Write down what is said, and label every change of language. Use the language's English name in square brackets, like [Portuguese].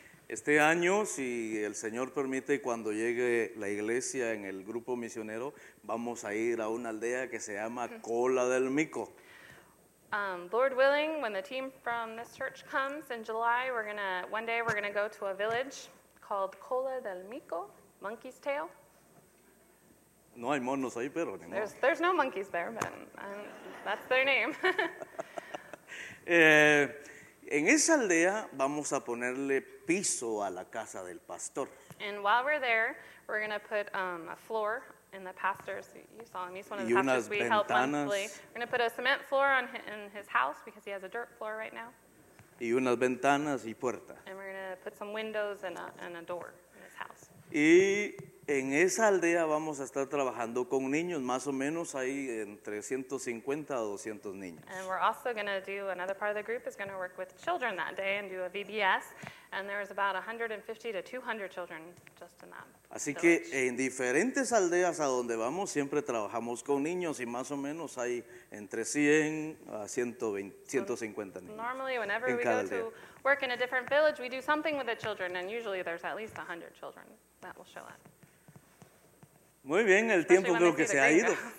[Spanish] Este año, si el Señor permite, cuando llegue la iglesia en el grupo misionero, vamos a ir a una aldea que se llama Cola del Mico. [English] Lord willing, when the team from this church comes in July, one day we're gonna go to a village called Cola del Mico, Monkey's Tail. [Spanish] No hay monos ahí, pero ni [English] there's no monkeys there, but that's their name. [Spanish] En esa aldea vamos a ponerle piso a la casa del pastor. [English] And while we're there, we're going to put a floor in the pastor's. You saw him. He's one of the pastors we help monthly. We're going to put a cement floor in his house because he has a dirt floor right now. [Spanish] Y unas ventanas y puerta. [English] And we're going to put some windows and a door in his house. [Spanish] Y en esa aldea vamos a estar trabajando con niños, más o menos ahí entre 150 a 200 niños. [English] And we're also going to do, another part of the group is going to work with children that day and do a VBS. And there's about 150 to 200 children just in that. [Spanish] Así que en diferentes aldeas a donde vamos siempre trabajamos con niños y más o menos hay entre 100 a 150 niños. [English] Normally, whenever we go to work in a different village, we do something with the children, and usually there's at least 100 children that will show up. [Spanish] Muy bien, el tiempo creo que se ha ido.